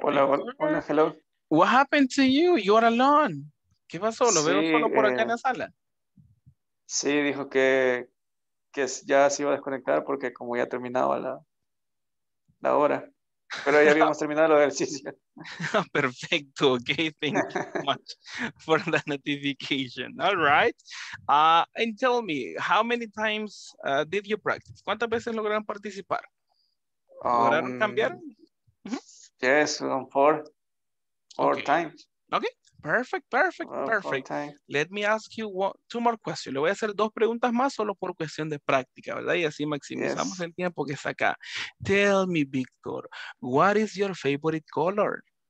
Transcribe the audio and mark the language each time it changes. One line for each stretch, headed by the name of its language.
Spanish: Hola, hola, hello.
English: What happened to you? You are alone.
Spanish: ¿Qué pasó? Lo veo solo por acá en la sala. Sí, dijo que ya se iba a desconectar porque como ya terminaba la hora. Pero ya habíamos terminado el ejercicio. Perfecto.
English: Okay, thank you so much for the notification. All right. And tell me, how many times did you practice?
Spanish: ¿Cuántas veces lograron participar? ¿Lograron cambiar?
English: Yes, four okay. times. Okay, perfect, perfect, perfect. Let me ask you two more questions.
Spanish: Le voy a hacer 2 preguntas más solo por cuestión de práctica, ¿verdad? Y así maximizamos el tiempo que está acá.
English: Tell me, Victor, what is your favorite color?